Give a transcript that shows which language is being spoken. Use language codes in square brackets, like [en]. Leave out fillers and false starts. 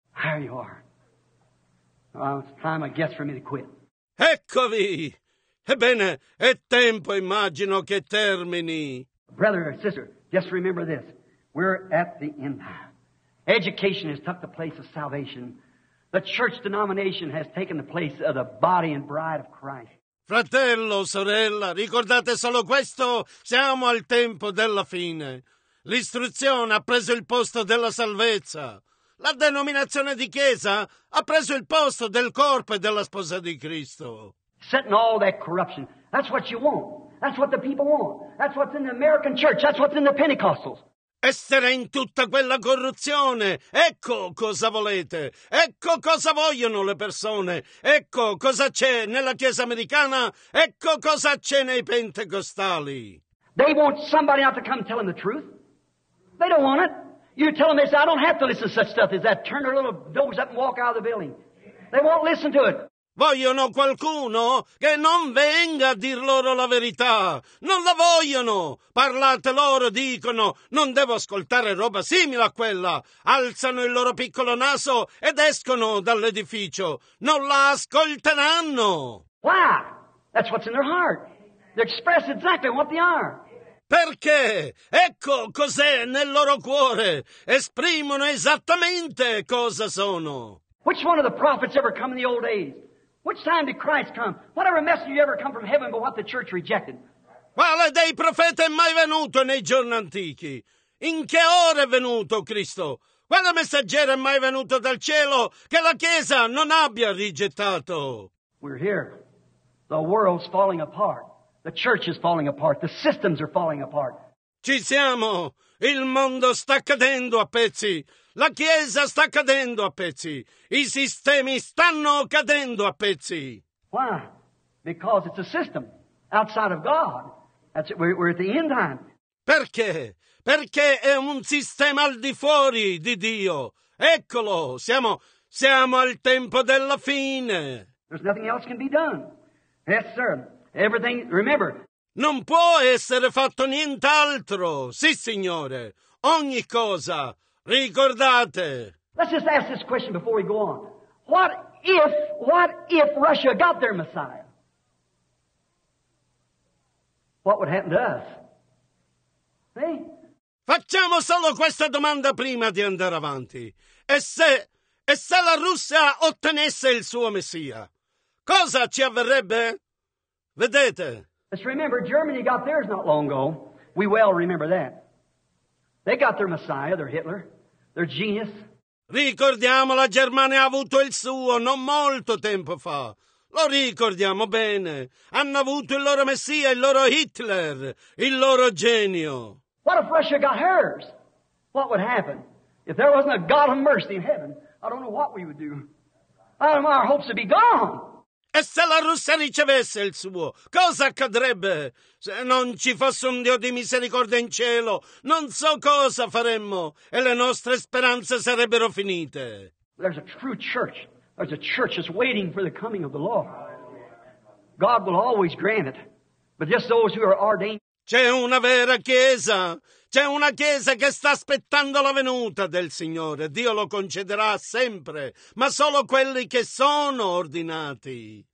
[en] There you are. Well, it's time, I guess, for me to quit. [it] Eccovi! Ebbene, è tempo, immagino, che termini. [en] Brother or sister, just remember this. We're at the end now. Education has took the place of salvation. The church denomination has taken the place of the body and bride of Christ. [it] Fratello, sorella, ricordate solo questo, siamo al tempo della fine. L'istruzione ha preso il posto della salvezza. La denominazione di chiesa ha preso il posto del corpo e della sposa di Cristo. [en] Setting all that corruption, that's what you want. That's what the people want. That's what's in the American church. That's what's in the Pentecostals. [it] Essere in tutta quella corruzione, ecco cosa volete, ecco cosa vogliono le persone, ecco cosa c'è nella Chiesa americana, ecco cosa c'è nei pentecostali. [en] They want somebody not to come tell them the truth. They don't want it. You tell them, they say, I don't have to listen to such stuff as that. Turn their little doors up and walk out of the building. They won't listen to it. [it] Vogliono qualcuno che non venga a dir loro la verità. Non la vogliono. Parlate loro, dicono, non devo ascoltare roba simile a quella. Alzano il loro piccolo naso ed escono dall'edificio. Non la ascolteranno. [en] Why? That's what's in their heart. They express exactly what they are. [it] Perché? Ecco cos'è nel loro cuore. Esprimono esattamente cosa sono. [en] Which one of the prophets ever come in the old days? Which time did Christ come? Whatever message you ever come from heaven, but what the church rejected. [it] Quale dei profeti è mai venuto nei giorni antichi? In che ora è venuto Cristo? Quale messaggero è mai venuto dal cielo che la Chiesa non abbia rigettato? [en] We're here. The world's falling apart. The church is falling apart. The systems are falling apart. [it] Ci siamo. Il mondo sta cadendo a pezzi. La Chiesa sta cadendo a pezzi. I sistemi stanno cadendo a pezzi. [en] Why? Because it's a system outside of God. That's it. We're at the end time. [it] Perché? Perché è un sistema al di fuori di Dio. Eccolo, siamo al tempo della fine. [en] There's nothing else can be done. Yes, sir. Everything, remember. [it] Non può essere fatto nient'altro. Sì, signore. Ogni cosa. Ricordate. [en] Let's just ask this question before we go on. What if Russia got their Messiah? What would happen to us? See? [it] Facciamo solo questa domanda prima di andare avanti. E se la Russia ottenesse il suo Messia, cosa ci avverrebbe? Vedete? [en] Let's remember, Germany got theirs not long ago. We well remember that. They got their Messiah, their Hitler. They're genius. [it] Ricordiamo, la Germania ha avuto il suo non molto tempo fa. Lo ricordiamo bene. Hanno avuto il loro Messia, il loro Hitler, il loro genio. [en] What if Russia got hers? What would happen? If there wasn't a God of mercy in heaven, I don't know what we would do. Our hopes would be gone. [it] E se la Russia ricevesse il suo, cosa accadrebbe? Se non ci fosse un Dio di misericordia in cielo, non so cosa faremmo e le nostre speranze sarebbero finite. [en] There's a true church. There's a church that's waiting for the coming of the Lord. God will always grant it. But just those who are ordained. [it] C'è una vera chiesa. C'è una chiesa che sta aspettando la venuta del Signore. Dio lo concederà sempre, ma solo quelli che sono ordinati.